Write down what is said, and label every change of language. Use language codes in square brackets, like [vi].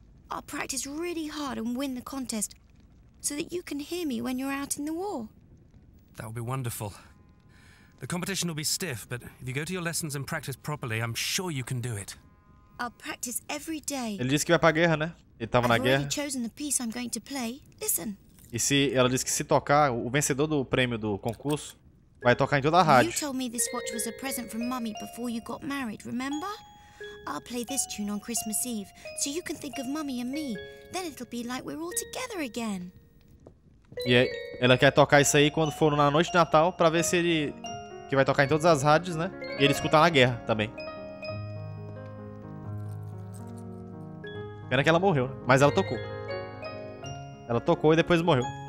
[en] I'll practice really hard and win the contest so that you can hear me when you're out in the war. That would be wonderful. The competition will be stiff, but if you go to your lessons and practice properly, I'm sure you can do it. I'll practice every day. [pt] Ele disse que vai pra guerra, né? Ele tava [en] I've [pt] na guerra. [en] Already chosen the piece I'm going to play. Listen. [pt] E se ela disse que se tocar, o vencedor do prêmio do concurso vai tocar em toda a rádio. [en] You told me this watch was a present from Mummy before you got married, remember? I'll play this tune on Christmas Eve, so you can think of Mummy and me. Then it'll be like we're all together again. [pt] E ela quer tocar isso aí quando for na noite de Natal, pra ver se ele... Que vai tocar em todas as rádios, né? E ele escutar na guerra também. Pena que ela morreu, mas ela tocou. Ela tocou e depois morreu.